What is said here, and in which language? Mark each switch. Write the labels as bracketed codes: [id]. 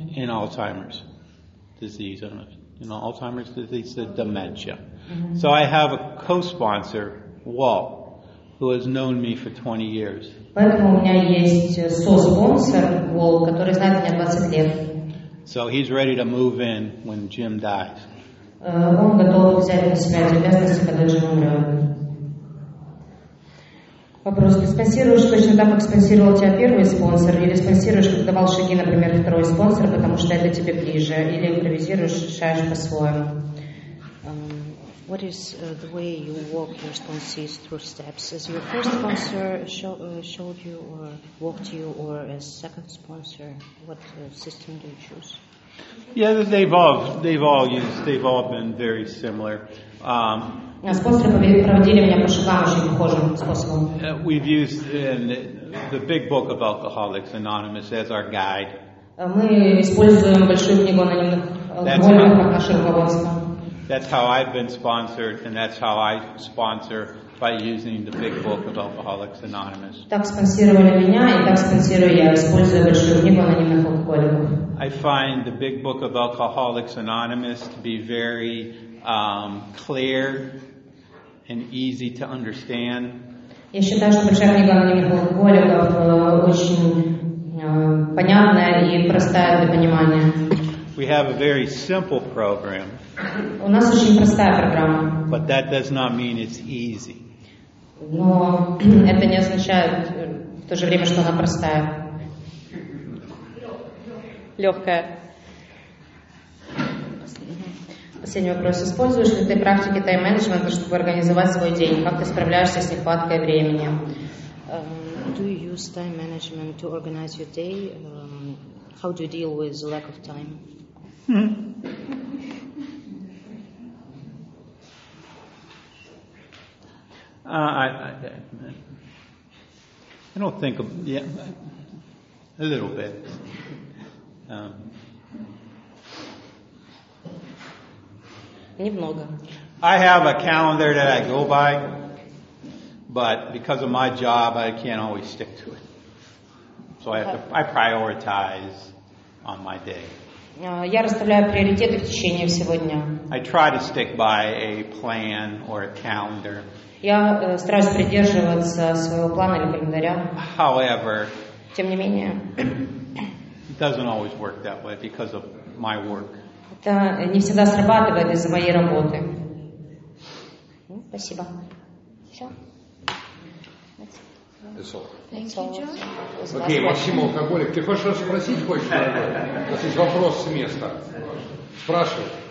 [en] In Alzheimer's disease. In Alzheimer's disease, dementia. Mm-hmm. So I have a co-sponsor, Walt, who has known me for 20 years. [ru] Поэтому у меня есть со-спонсор, Walt, который знает меня 20 лет. [en] So he's ready to move in when Jim dies. [ru] Он готов взять на себя обязанности, когда Джим умрет. Вопрос. Ты спонсируешь точно так, как спонсировал тебя первый спонсор, или спонсируешь, как давал шаги, например, второй спонсор, потому что это тебе ближе, или импровизируешь, решаешь по-своему? [en] What is the way you walk your sponsors through steps? As your first sponsor showed you or walked you, or as second sponsor, what system do you choose? Yeah, they've all been very similar. We've used in the Big Book of Alcoholics Anonymous as our guide. [ru] Мы используем большую книгу анонимных как наше руководство. [en] That's how I've been sponsored, and that's how I sponsor by using the Big Book of Alcoholics Anonymous. [ru] Так спонсировали меня, и так спонсирую я, используя большую книгу анонимных алкоголиков. [en] I find the Big Book of Alcoholics Anonymous to be very clear and easy to understand. [ru] Я считаю, что большая книга анонимных алкоголиков очень понятная и простая для понимания. [en] We have a very simple program. [ru] У нас очень простая программа. [en] But that does not mean it's easy. [ru] Но это не означает в то же время, что она простая. Легкая. Последний вопрос. Используешь ли ты практики тайм-менеджмента, чтобы организовать свой день? Как ты справляешься с нехваткой времени? [en] Do you use time management to organize your day? How do you deal with the lack of time? I don't think of, yeah, a little bit. [ru] Немного. [en] I have a calendar that I go by, but because of my job, I can't always stick to it. So I prioritize on my day. [ru] Я расставляю приоритеты в течение всего дня. [en] I try to stick by a plan or a calendar. [ru] Я стараюсь придерживаться своего плана или календаря. [en] However, [ru] тем не менее, [en] it doesn't always work that way because of my work. [ru] Это не всегда срабатывает из-за моей работы. Спасибо. Все. [en] That's all. Thank you, John. [ru] Okay, Максим, алкоголик. Ты хочешь что-то спросить, хочешь? У нас есть вопрос с места. Спрашивай.